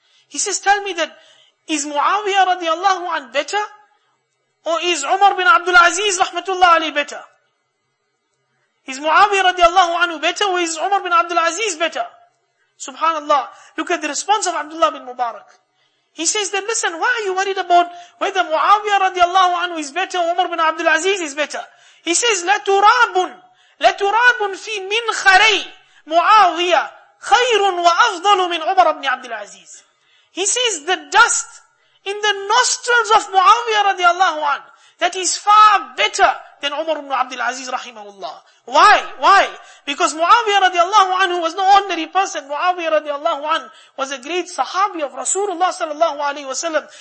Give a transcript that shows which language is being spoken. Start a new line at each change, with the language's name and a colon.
English: He says, tell me that, is Muawiyah radiyallahu an better, or is Umar bin Abdul Aziz rahmatullahi alayhi better? Is Muawiyah radiyallahu anhu better, or is Umar bin Abdul Aziz better? Subhanallah, look at the response of Abdullah bin Mubarak. He says that, listen, why are you worried about whether Muawiyah radiyallahu anhu is better or Umar bin Abdul Aziz is better? He says,
Arabic: لَتُرَابٌ فِي مِنْ خَرَيْ مُعَاوِيَةٌ خَيْرٌ وَأَفْضَلُ مِنْ عُمَرْ بْنِ عَبْدِ الْعَزِيزِ.
English: He says, the dust in the nostrils of Muawiyah radiyallahu anhu, that is far better than Umar ibn Abdul Aziz rahimahullah. Why? Because Muawiyah radiyallahu anhu was no ordinary person. Muawiyah radiyallahu anhu was a great sahabi of Rasulullah sallallahu alayhi wa sallam.